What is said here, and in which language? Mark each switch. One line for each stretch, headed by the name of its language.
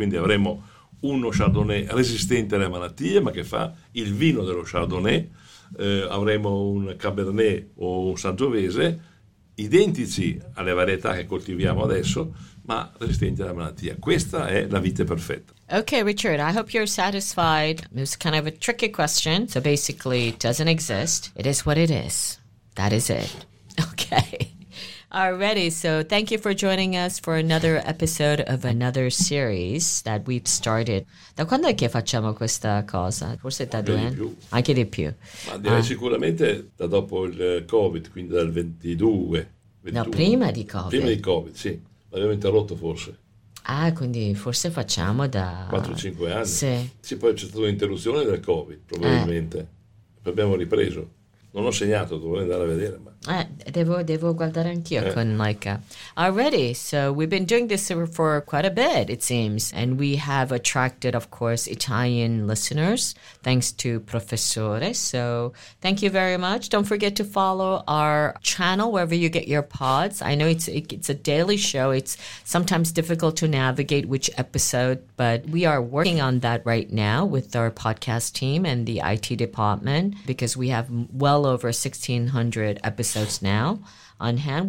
Italian: Quindi avremo uno Chardonnay resistente alle malattie, ma che fa il vino dello Chardonnay. Avremo un Cabernet o un Sangiovese identici alle varietà che coltiviamo adesso, ma resistenti alla malattia. Questa è la vite perfetta.
English: Okay, Richard, I hope you're satisfied. It was kind of a tricky question, so basically it doesn't exist. It is what it is. That is it. Okay. Alrighty, so thank you for joining us for another episode of another series that we've started.
Italian: Da quando è che facciamo questa cosa? Forse da due anni? Anche di più. Ma direi sicuramente da dopo il Covid, quindi dal 22. 21. No, prima di Covid. Prima di Covid, sì. L'abbiamo interrotto forse. Ah, quindi forse facciamo da... 4-5 anni. Sì. Sì, poi c'è stata un'interruzione del Covid, probabilmente. Poi abbiamo ripreso. Non ho segnato, dovrei andare a vedere, ma... Devo guardare anch'io con Laika.
English: Already, so we've been doing this for quite a bit, it seems. And we have attracted, of course, Italian listeners, thanks to Professore. So thank you very much. Don't forget to follow our channel wherever you get your pods. I know it's a daily show. It's sometimes difficult to navigate which episode, but we are working on that right now with our podcast team and the IT department, because we have well over 1,600 episodes now on hand.